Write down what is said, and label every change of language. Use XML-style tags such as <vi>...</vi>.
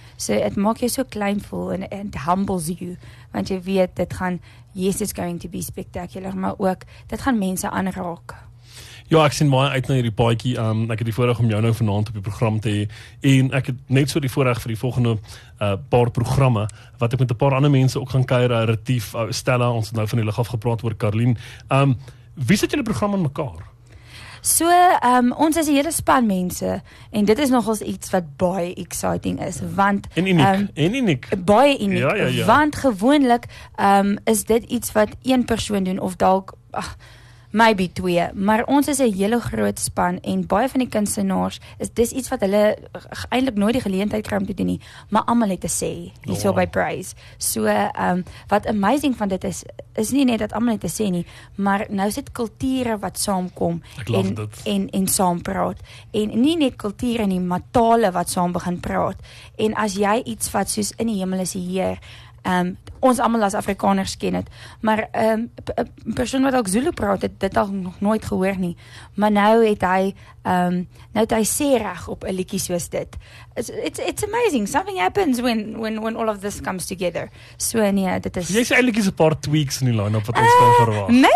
<af>So, het maak jou so klein voel,</af> <en>and it humbles you.</en> <af>Want jy weet, dit gaan,</af> <en>yes, it's going to be spectacular,</en> <af>maar ook, dit gaan mense aanraak. Ja, ek sien baie uit na hierdie paadjie. Ek het die voorreg om jou nou vanavond op die program te hê. En ek het net so die voorreg vir die volgende paar programme, wat ek met 'n paar ander mense ook gaan kuier, Retief, Stella, ons het nou van die lig af gepraat oor Carleen. Wie sit julle program aan mekaar? So, ons is 'n hele span mense, en dit is nogals iets wat baie exciting is, want... En uniek, Baie uniek, ja. Want gewoonlik is dit iets wat een persoon doen, of dalk... maybe twee, maar ons is 'n hele groot span, en baie van die kunstenaars, dis iets wat hulle eindelijk nooit die geleentheid kry om te doen nie, maar allemaal het te sê, hier so by Praise. So, wat amazing van dit is, is nie net dat allemaal het te sê nie, maar nou is dit kulture wat saamkom, en saam praat, en nie net kulture nie, maar tale wat saam begin praat, en as jy iets wat soos in die hemel is hier, ons allemaal as Afrikaners ken het, maar persoon wat ook Zulu praat, het dit al nog nooit gehoor nie, maar nou het hy sê reg op 'n liedjie soos dit.</af> <en>It's amazing, something happens when all of this comes together.</en> <af>So nee, dit is... Jy sê eindelijk is 'n paar tweaks in die line-up wat ons kan verwacht.</af>